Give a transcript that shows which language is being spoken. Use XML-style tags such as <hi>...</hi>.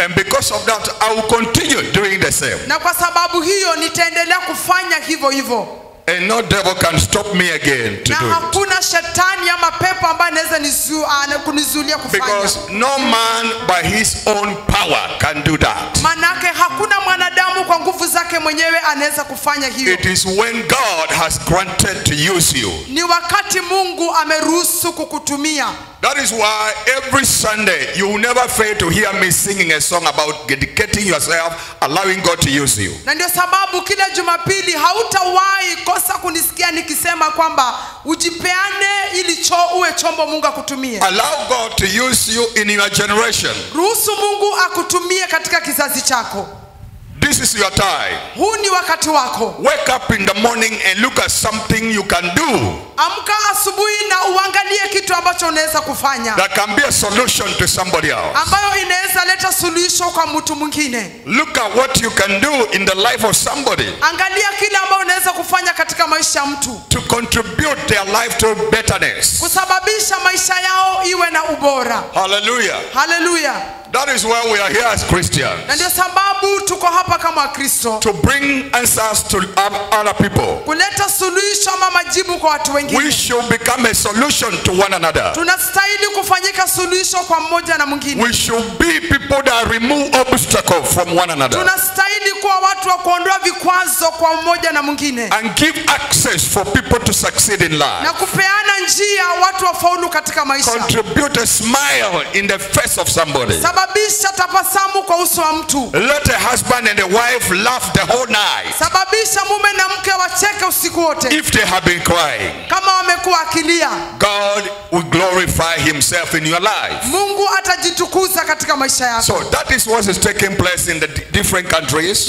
<en>And because of that I will continue doing the same.</en> <sw>Na kwa sababu hiyo ni endelea kufanya hivyo hivyo.</sw> <en>And no devil can stop me again to</en> <sw>na</sw> <en>do it.</en> <sw>Na hakuna shetani ama pepo ambaye anaweza kunizulia kufanya.</sw> <en>Because no man by his own power can do that.</en> <sw>Manake hakuna mwanadamu kwa nguvu zake mwenyewe anaweza kufanya hiyo.</sw> <en>It is when God has granted to use you.</en> <sw>Ni wakati Mungu ameruhusu kukutumia.</sw> <en>That is why every Sunday you will never fail to hear me singing a song about dedicating yourself, allowing God to use you.</en> <sw>Na ndio sababu kila Jumapili hautawahi kosa kunisikia nikisema kwamba ujipeane ili uwe chombo Mungu akutumie.</sw> <en>Allow God to use you in your generation.</en> <sw>Ruhusu Mungu akutumie katika kizazi chako.</sw> <en>This is your time.</en> <sw>Huu ni wakati wako.</sw> <en>Wake up in the morning and look at something you can do.</en> <sw>Amka asubuhi na uangalie kitu ambacho unaweza kufanya.</sw> <en>That can be a solution to somebody else.</en> <sw>Ambayo inaweza leta suluhisho kwa mtu mwingine.</sw> <en>Look at what you can do in the life of somebody.</en> <sw>Angalia kile ambacho unaweza kufanya katika maisha ya mtu.</sw> <en>To contribute their life to betterness.</en> <sw>Kusababisha maisha yao iwe na ubora.</sw> <en>Hallelujah. Hallelujah. That is why we are here as Christians.</en> <sw>Na ndio sababu tuko hapa kama Kristo.</sw> <en>To bring answers to other people.</en> <sw>Kuleta suluhisho ama majibu kwa watu wengine.</sw> <en>We should become a solution to one another.</en> <sw>Tunastahili kufanyika suluhisho kwa mmoja na mwingine.</sw> <en>We should be people that remove obstacles from one another.</en> <sw>Tunastahili kuwa watu wa kuondoa vikwazo kwa mmoja na mwingine.</sw> <en>And give access for people to succeed in life.</en> <sw>Na kupeana njia watu wafaulu katika maisha.</sw> <en>Contribute a smile in the face of somebody.</en> <sw>Sababisha tapasamu kwa uso wa mtu.</sw> <en>Let a husband and a wife laugh the whole night.</en> <sw>Sababisha mume na mke wacheke usiku wote.</sw> <en>If they have been crying.</en> <sw>Kama wamekuwa kilia.</sw> <en>God will glorify himself in your life.</en> <sw>Mungu atajitukuza katika maisha yako.</sw> <en>So that is what is taking place in the different countries.</en>